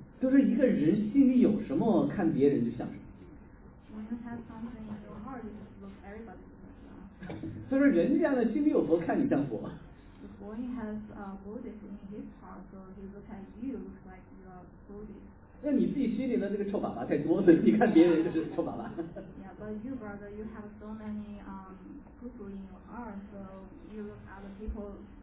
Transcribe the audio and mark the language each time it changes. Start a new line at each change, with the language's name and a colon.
Chinese: 就是一个人心里有什么，看别人就像什么。
English: When you have something in your heart, you just look everybody like that.
Chinese: 所以人家呢，心里有佛，看你像佛。
English: The boy has a Buddhist in his heart, so he looks at you like you are Buddhist.
Chinese: 那你自己心里的这个臭粑粑太多了，你看别人就是臭粑粑。
English: Yeah, but you brother, you have so many poo-poo in your heart, so you look at the people.